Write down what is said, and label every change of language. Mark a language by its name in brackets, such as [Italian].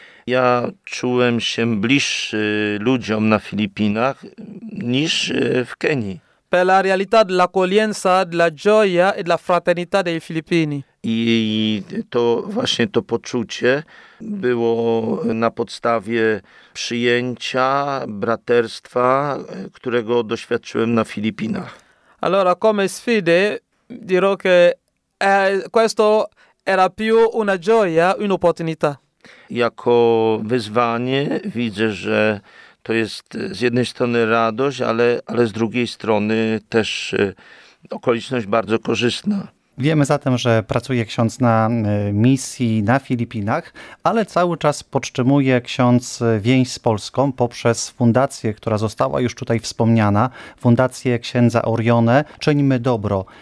[Polish] Ja czułem się bliższy ludziom na Filipinach niż w Kenii. [Italian] Per la realtà dell'accoglienza, della gioia e della fraternità dei filippini. [Polish] I to właśnie to poczucie było na podstawie przyjęcia, braterstwa, którego doświadczyłem na Filipinach. [Italian] Allora, come sfide, dirò che questo era più una gioia, un'opportunità. [Polish] Jako wyzwanie widzę, że to jest z jednej strony radość, ale z drugiej strony też okoliczność bardzo korzystna. Wiemy zatem, że pracuje ksiądz na misji na Filipinach, ale cały czas podtrzymuje ksiądz więź z Polską poprzez fundację, która została już tutaj wspomniana, fundację księdza Orione, Czyńmy Dobro.